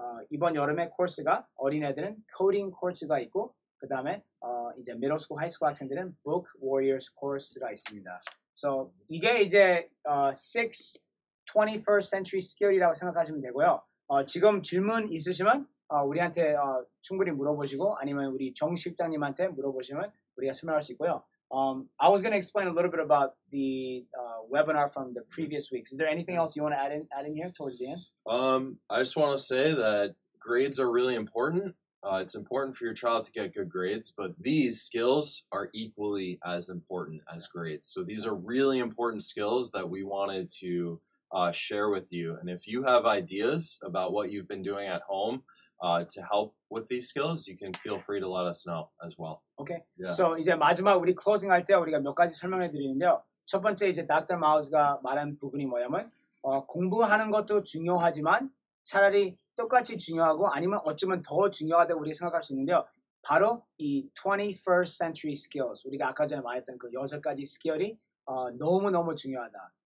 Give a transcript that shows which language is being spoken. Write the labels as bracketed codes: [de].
[ko] 이번 여름에 코스가 어린애들은 coding 코스가 있고, 그 다음에 이제 middle school, high school 학생들은 book warriors 코스가 있습니다. So 이게 이제 21st century skill이라고 생각하시면 되고요. 지금 질문 있으시면 우리한테 충분히 물어보시고, 아니면 우리 정 실장님한테 물어보시면 우리가 설명할 수 있고요. [en] I was going to explain a little bit about the webinar from the previous weeks. Is there anything else you want to add in here towards the end? I just want to say that grades are really important. It's important for your child to get good grades, but these skills are equally as important as grades. So these are really important skills that we wanted to share with you. And if you have ideas about what you've been doing at home to help with these skills, you can feel free to let us know as well. [ko] Okay. Yeah. So 이제 마지막 우리 closing 할 때 우리가 몇 가지 설명해 드리는데요. 첫 번째 이제 닥터 마우스가 말한 부분이 뭐냐면 공부하는 것도 중요하지만 차라리 똑같이 중요하고 아니면 어쩌면 더 중요하다고 우리가 생각할 수 있는데요. 바로 이 21st century skills, 우리가 아까 전에 말했던 그 여섯 가지 스킬이 너무너무 중요하다.